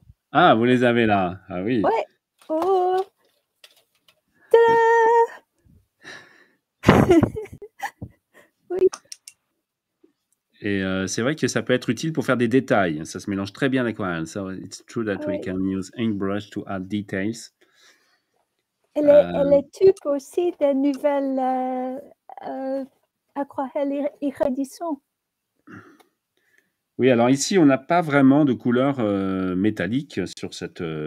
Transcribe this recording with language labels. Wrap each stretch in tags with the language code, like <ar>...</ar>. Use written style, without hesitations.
<fr>Ah, vous les avez là. Ah oui. Ouais. Oh. Oui. Et c'est vrai que ça peut être utile pour faire des détails. Ça se mélange très bien à l'aquarelle.</fr> <en>So it's true that we can use ink brush to add details.</en> <fr>Et les tubes aussi des nouvelles aquarelles iridescentes. Oui, alors ici, on n'a pas vraiment de couleur métallique sur cette...</fr>